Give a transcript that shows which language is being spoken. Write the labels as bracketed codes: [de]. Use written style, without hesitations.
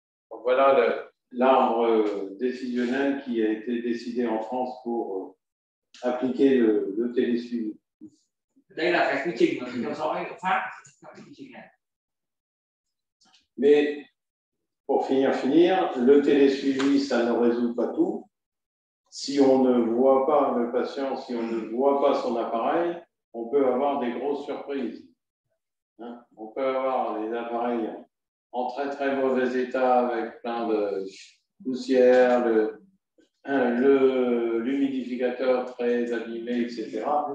[fr] Voilà le l'arbre décisionnel qui a été décidé en France pour appliquer le télésuivi. [vi] Đây là cái quy trình mà theo dõi ở Pháp, cái quy trình này. [fr] Mais pour finir, le télésuivi ça ne résout pas tout. Si on ne voit pas le patient, si on ne voit pas son appareil, on peut avoir des grosses surprises. Hein? On peut avoir les appareils en très très mauvais état avec plein de poussière, le l'humidificateur très abîmé, etc.